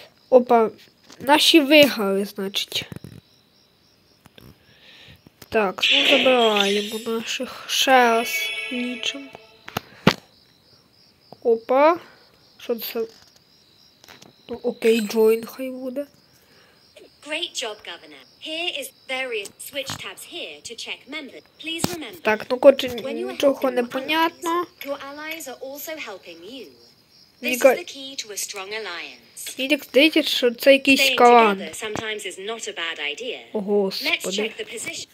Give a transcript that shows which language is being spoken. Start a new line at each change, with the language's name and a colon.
Ukrainian: Опа, наші виграли, значить. Так, ну забираємо наших. Ще раз нічим. Опа. Що це? Ну, окей, join хай буде.
English: Great job, governor. Here is various switch tabs here to check members. Please remember.
Ukrainian: Так, ну коротше, нічого не понятно.
English: Your allies are also helping you. This is the key to a strong alliance.
Ukrainian: Ні, так, дивіться, що це якийсь клан.
English: Sometimes is not a bad idea.
Ukrainian: О, господи.
English: Let's check the position.